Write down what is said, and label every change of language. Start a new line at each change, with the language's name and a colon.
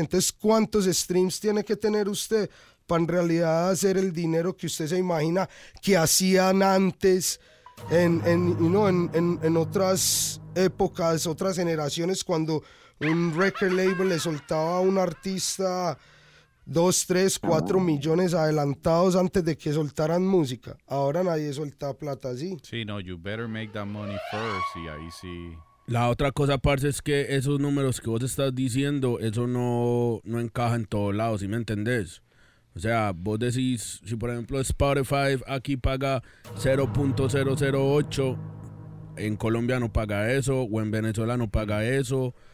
Spanish: Entonces, ¿cuántos streams tiene que tener usted para en realidad hacer el dinero que usted se imagina que hacían antes en otras épocas, otras generaciones, cuando un record label le soltaba a un artista 2, 3, 4 millones adelantados antes de que soltaran música? Ahora nadie suelta plata así. Sí, no,
English: you better make that money first.
Spanish: Y ahí sí. La otra cosa, parce, es que esos números que vos estás diciendo, eso no encaja en todos lados, ¿sí me entendés? O sea, vos decís, si por ejemplo Spotify aquí paga 0.008, en Colombia no paga eso, o en Venezuela no paga eso.